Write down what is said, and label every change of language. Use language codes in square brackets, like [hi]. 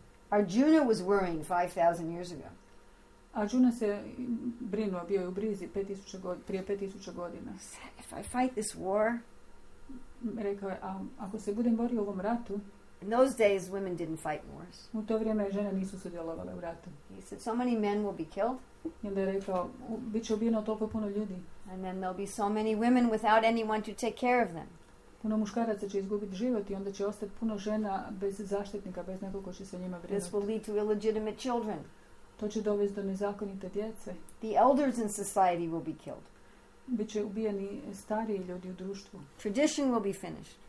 [en] Arjuna was worrying 5,000 years ago. [hr] Arjuna se brinuo, bio je u brizi prije 5,000 godina. [en] If I fight this war, [hr] rekao je, ako se budem borio u ovom ratu, [en] in those days, women didn't fight wars. [hr] U to vrijeme žene nisu sudjelovale u ratu. [en] He said, so many men will be killed. [hr] I onda je rekao, bit će ubijeno toliko puno ljudi. [en] And then there'll be so many women without anyone to take care of them. [hr] Puno muškaraca će izgubiti život i onda će ostati puno žena bez zaštitnika, bez nekog ko će se njima brinuti. [en] This will lead to illegitimate children. [hr] To će dovesti do nezakonite djece. [en] The elders in society will be killed. [hr] Bit će ubijeni stariji ljudi u društvu. [en] Tradition will be finished.